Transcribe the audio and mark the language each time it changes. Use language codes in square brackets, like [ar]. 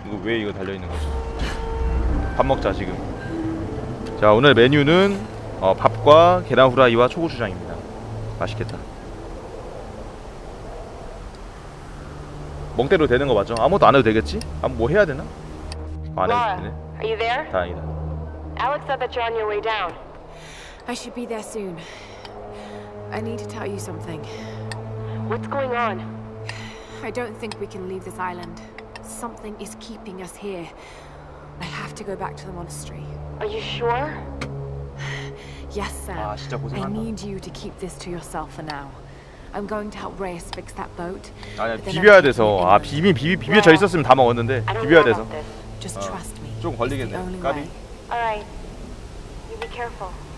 [ko] 이거 왜 이거 달려 있는 거지? 밥 먹자 지금. 자, 오늘 메뉴는 밥과 계란 후라이와 초고추장입니다. 맛있겠다. 멍때로 되는 거 맞죠? 아무것도 안 해도 되겠지? 아, 뭐 해야 되나? 안 해도 되네. [en] Are you there? [ko] 다행이다. [en] Alex said that you're on your way down. I should be there soon. I need to tell you something. What's going on? I don't think we can leave this island. Something is keeping us here. I have to go back to the monastery. Are you sure? Yes, Sam. I need you to keep this to yourself for now. I'm going to help Reyes fix that boat. [ko] 아니야, 비벼야 돼서. 아, 비벼져 있었으면 다 먹었는데. 비벼야 돼서. [en] Just trust me. [ko] 조금 걸리겠네. 까비. [en] All right. You be careful.